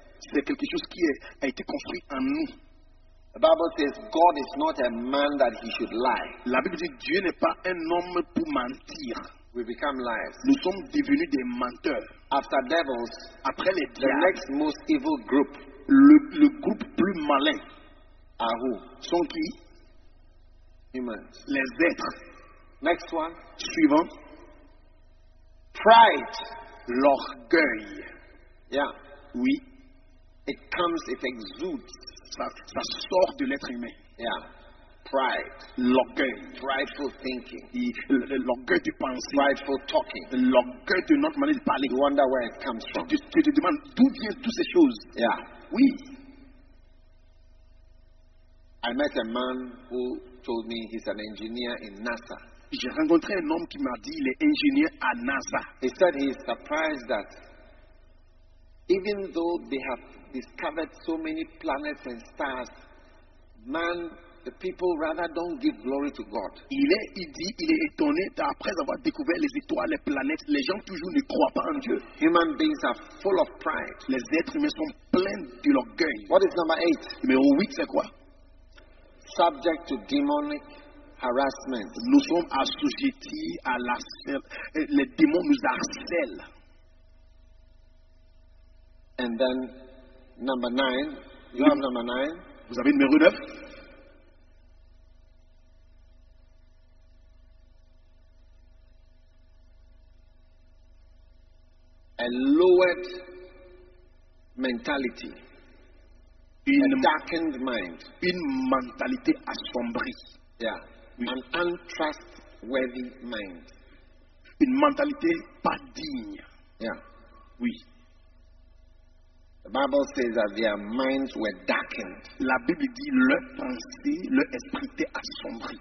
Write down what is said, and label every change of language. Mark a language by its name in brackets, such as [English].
[French] C'est quelque chose qui a été construit en nous. [English] The Bible says God is not a man that he should lie. [French] La Bible dit Dieu n'est pas un homme pour mentir. [English] We become liars. [French] Nous sommes devenus des menteurs. [English] After devils, [French] après les diables, [English] the next most evil group, [French] le groupe plus malin, [English] are who? [French] Sont qui? [English] Humans. [French] Les êtres. [English] Next one. [French] Suivant. [English] Pride. [French] L'orgueil. [English] Yeah. [French] Oui. [English] It comes, it exudes. [French] Ça sort de l'être humain. [English] Yeah. Pride. [French] L'orgueil. [English] Prideful thinking. [French] L'orgueil de penser. [English] Prideful talking. [French] L'orgueil de notre manière de parler. [English] You wonder where it comes from. [French] Tu te demandes d'où viennent toutes ces choses. [English] Yeah. [French] Oui. [English] I met a man who told me he's an engineer in NASA. [French] J'ai rencontré un homme qui m'a dit il est ingénieur à NASA. [English] He said he is surprised that even though they have discovered so many planets and stars, man, the people rather don't give glory to God. [French] Il est étonné d'après avoir découvert les étoiles, les planètes, les gens toujours ne croient pas en Dieu. [English] Human beings are full of pride. [French] Les êtres humains sont pleins de l'orgueil. [English] What is number 8? [French] Numéro 8, c'est quoi? [English] Subject to demonic harassment. [French] Nous sommes assujettis à la les démons nous harcèlent. [English] And then number 9. You have number 9. [French] Vous avez numéro 9. [English] A lowered mentality. [French] Une [English] darkened mind. [French] Une mentalité assombrie. [English] Yeah. Oui. An untrustworthy mind. [French] Une mentalité pas digne. [English] Yeah. [French] Oui. [English] The Bible says that their minds were darkened. [French] La Bible dit leur pensée, leur esprit était assombri.